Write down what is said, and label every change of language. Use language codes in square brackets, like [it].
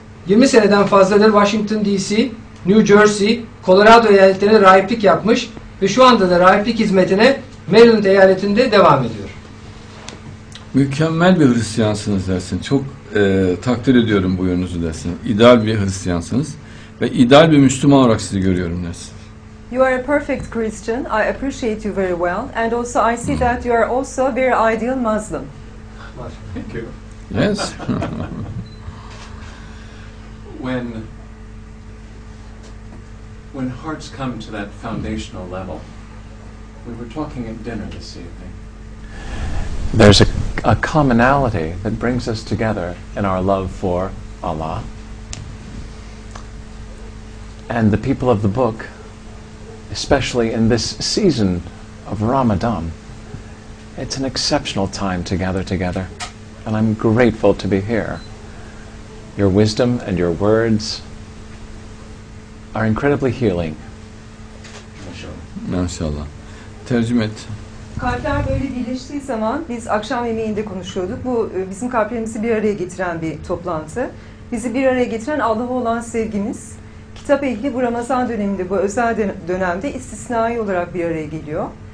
[tr] 20 seneden fazladır Washington D.C., New Jersey, Colorado eyaletlerine rahiplik yapmış ve şu anda da rahiplik hizmetine Maryland eyaletinde devam ediyor. Mükemmel bir Hristiyansınız dersin. Çok takdir ediyorum bu yönünüzü dersin. İdeal bir Hristiyansınız ve ideal bir Müslüman olarak sizi görüyorum dersin. [en] You are a perfect Christian. I appreciate you very well. And also I see that you are also a very ideal Muslim. Thank you. Yes. When hearts come to that foundational level, we were talking at dinner this evening. There's a commonality that brings us together in our love for Allah. And the people of the book, especially in this season of Ramadan, it's an exceptional time to gather together. And I'm grateful to be here. Your wisdom and your words are incredibly healing. [tr] Maşallah. Maşallah. Tercüme et. Kalpler böyle birleştiği zaman, biz akşam yemeğinde konuşuyorduk. Bu bizim kalplerimizi bir araya getiren bir toplantı. Bizi bir araya getiren Allah'a olan sevgimiz. Kitap ehli bu Ramazan döneminde, bu özel dönemde istisnai olarak bir araya geliyor.